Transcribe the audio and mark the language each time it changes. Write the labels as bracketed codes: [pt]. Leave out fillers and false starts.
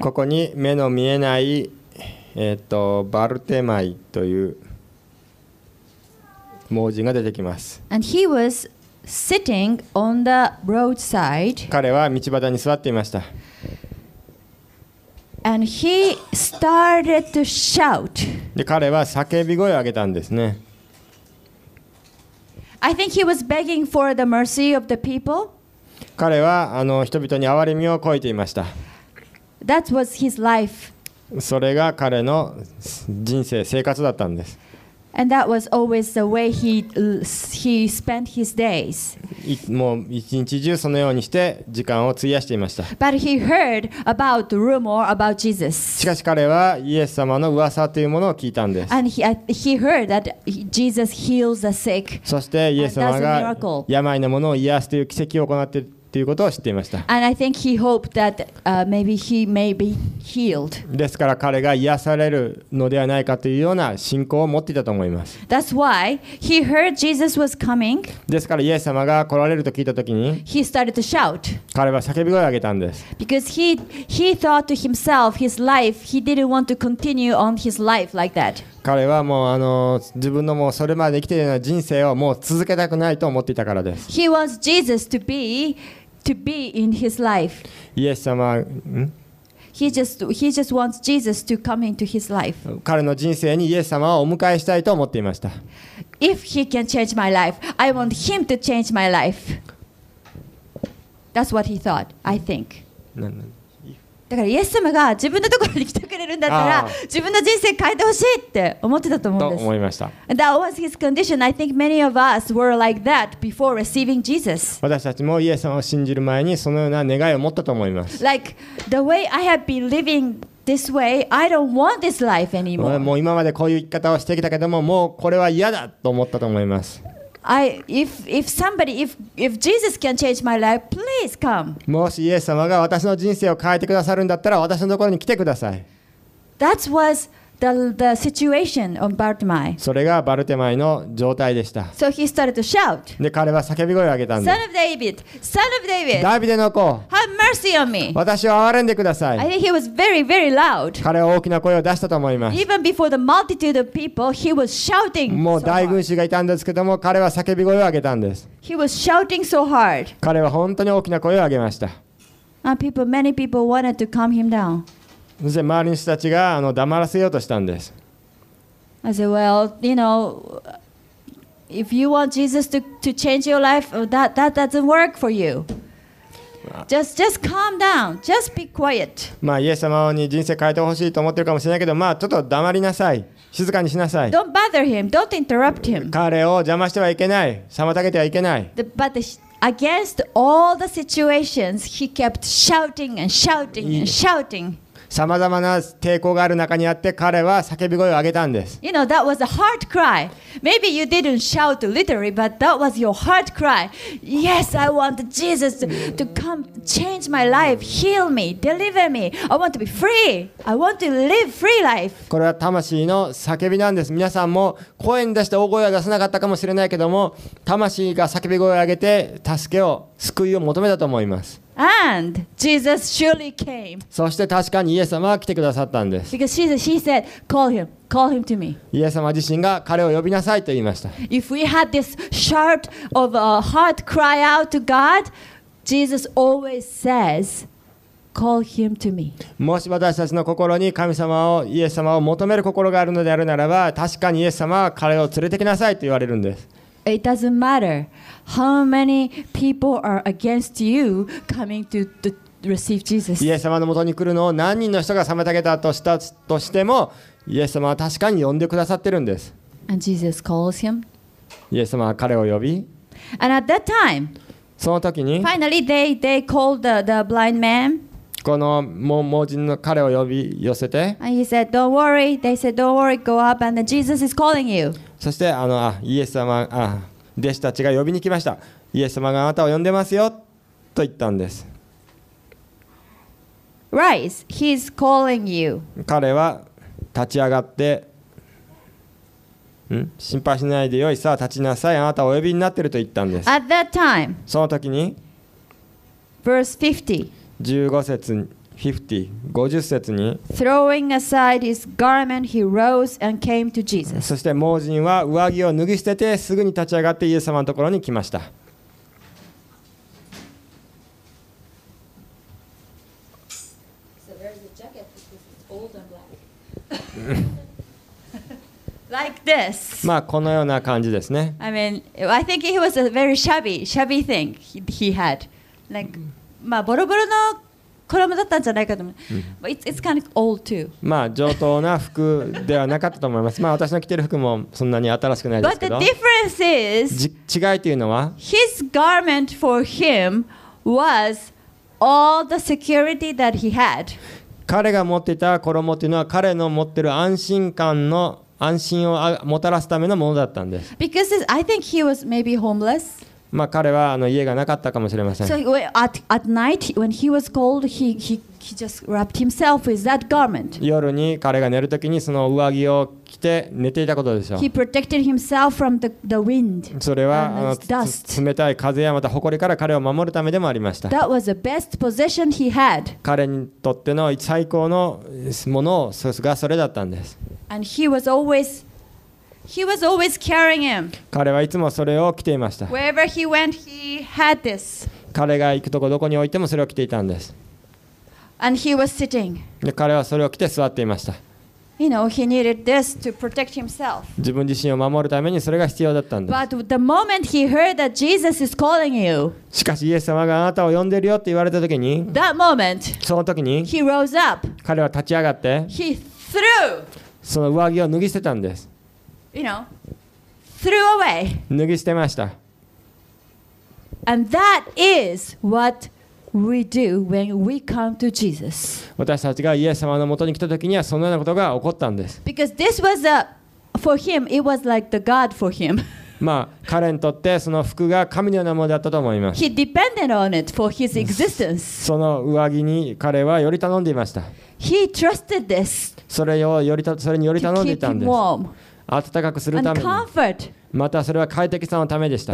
[ja] ここに目の見えないバルテマイという盲人が出てきます [en] And he was sitting on the roadside [ja] 彼は道端に座っていました [en] And he started to shout. [ja] で彼は叫び声を上げたんですね。 [en] I think he was begging for the mercy of the people. [ja] 彼は人々に憐れみをこいていました。 [en] That was his life. [ja] それが彼の人生生活だったんです。 [en] And that was always the way he spent his days. [ja] もう一日中そのようにして時間を費やしていました。 [en] But he heard about the rumor about Jesus. [ja] しかし彼はイエス様の噂というものを聞いたんです。 [en] And he heard that Jesus heals the sick. [ja] そしてイエス様が病の者を癒すという奇跡を行っているということを知っていました。 [en] And I think he hoped that maybe he may be healed. [ja] ですから彼が癒されるのではないかというような信仰を持っていたと思います。 [en] That's why he heard Jesus was coming. [ja] ですからイエス様が来られると聞いたときに、 [en] he started to shout. [ja] 彼は叫び声を上げたんです。 [en] Because he thought to himself, his life, he didn't want to continue on his life like that. [ja] 彼はもう自分のもうそれまで生きているような人生をもう続けたくないと思っていたからです。 [en] He wants Jesus to be to be in his life. [ja] イエス様、 [en] He just wants Jesus to come into his life. [ja] 彼の人生にイエス様をお迎えしたいと思っていました。 [en] If he can change my life, I want him to change my life. That's what he thought. I think. [ja] だからイエス様が自分のところに来てくれるんだったら自分の人生変えてほしいって思ってたと思うんです。と思いました。 [en] That was his condition. I think many of us were like that before receiving Jesus. [ja] 私たちもイエス様を信じる前にそのような願いを持ったと思います。 [en] Like the way I have been living this way, I don't want this life anymore. [ja] もう今までこういう生き方をしてきたけどももうこれは嫌だと思ったと思います。 [en] If Jesus can change my life, please come. [ja] もしイエス様が私の人生を変えてくださるんだったら私のところに来てください。 [en] That was the situation of Bartimai. [ja] それがバルテマイの状態でした。 [en] So he started to shout. [ja] で彼は叫び声を上げたんです。 [en] Son of David, son of David. [ja] ダビデの子。 [en] Have mercy on me. [ja] 私を憐れんでください。 [en] I think he was very, very loud. [ja] 彼は大きな声を出したと思います。 [en] Even before the multitude of people, he was shouting. [ja] もう大群衆がいたんですけども、彼は叫び声を上げたんです。 [en] He was shouting so hard. [ja] 彼は本当に大きな声を上げました。 [en] And people, many people wanted to calm him down. [ja] そして周りの人たちが黙らせようとしたんです。 [en] I said, well, you know, if you want Jesus to change your life, that doesn't work for you. Just calm down. Just be quiet. [ja] まあ、イエス様に人生変えてほしいと思ってるかもしれないけど、まあ、ちょっと黙りなさい。静かにしなさい。 [en] Don't bother him. Don't interrupt him. [ja] 彼を邪魔してはいけない。妨げてはいけない。 [en] Against all the situations, he kept shouting and shouting and shouting. [ja] さまざまな抵抗がある中にあって、彼は叫び声を上げたんです。 [en] You know, that was a heart cry. Maybe you didn't shout literally, but that was your heart cry. Yes, I want Jesus to come, change my life, heal me, deliver me. I want to be free. I want to live free life. [ja] これは魂の叫びなんです。皆さんも声に出して大声は出さなかったかもしれないけども、魂が叫び声を上げて助けを、救いを求めたと思います。 [en] And Jesus surely came. [ja] そして確かにイエス様は来てくださったんです。 [en] Because she said, call him to me. [ja] イエス様自身が彼を呼びなさいと言いました。 [en] If we had this sharp of a heart cry out to God, Jesus always says, call him to me. [ja] もし私たちの心に神様をイエス様を求める心があるのであるならば、確かにイエス様は彼を連れてきなさいと言われるんです。 [en] It doesn't matter how many people are against you coming to receive Jesus. [ja] イエス様の元に来るのを何人の人が妨げたとしたとしても、イエス様は確かに呼んでくださってるんです。 [en] And Jesus calls him. [ja] イエス様は彼を呼び。 [en] And at that time, [ja] その時に、 [en] finally they called the blind man. [ja] この盲人の彼を呼び寄せて。 [en] And he said, "Don't worry." They said, "Don't worry. Go up." And Jesus is calling you. [ja] そしてイエス様弟子たちが呼びに来ました。イエス様があなたを呼んでますよと言ったんです。 [en] Rise, he's calling you. [ja] 彼は立ち上がって、心配しないでよいさあ立ちなさいあなたをお呼びになっていると言ったんです。 [en] At that time, [ja] その時に、 [en] verse [ja] 50節に [en] throwing aside his garment, he rose and came to Jesus. [ja] そして盲人は上着を脱ぎ捨ててすぐに立ち上がってイエス様のところに来ました。 [en] So there's a jacket because it's old and black. Like this. [ja] まあこのような感じですね。 [en] I mean, I think he was a very shabby thing he had. [ja] Like, まあボロボロの衣だったんじゃないかと思う。 [en] But it's kind of old too. [ja] まあ上等な服ではなかったと思います。まあ私の着てる服もそんなに新しくないですけど。 [en] But the difference is, [ja] 違いというのは、 [en] his garment for him was all the security that he had. [ja] 彼が持っていた衣というのは彼の持っている安心感の安心をもたらすためのものだったんです。 [en] Because I think he was maybe homeless. [ja] まあ、彼は家がなかったかもしれません。 [en] So at night when he was cold, he just wrapped himself with that garment. [ja] 夜に彼が寝るときにその上着を着て寝ていたことでしょう。 [en] He protected himself from the wind. [ja] それは冷たい風やまた埃から彼を守るためでもありました。 [en] That was the best position he had. [ja] 彼にとっての最高のものがそれだったんです。 [en] And he was always. He was always carrying him. [ja] 彼はいつもそれを着ていました。 [en] Wherever he went, he had this. [ja] 彼が行くとこどこに置いてもそれを着ていたんです。 [en] And he was sitting. [ja] で、彼はそれを着て座っていました。 [en] You know, he needed this to protect himself. [ja] 自分自身を守るためにそれが必要だったんです。 [en] But the moment he heard that Jesus is calling you, [ja] しかしイエス様があなたを呼んでるよって言われた時に、 [en] that moment, [ja] その時に、 [en] he rose up. [ja] 彼は立ち上がって、 [en] he threw. [ja] その上着を脱ぎ捨てたんです。 [en] You know, threw away. [ja] 脱ぎ捨てました。 [en] And that is what we do when we come to Jesus. [ja] 私たちがイエス様の元に来た時にはそのようなことが起こったんです。 [en] Because this was a, for him, it was like the God for him. [ja] まあ彼にとってその服が神のようなものだったと思います。 [en] He depended on it for his existence. [ja] その上着に彼はより頼んでいました。 [en] He trusted this. [ja] それにより頼んでいたんです。 [en] To keep him warm. [ja] 暖かくするために、またそれは快適さのためでした。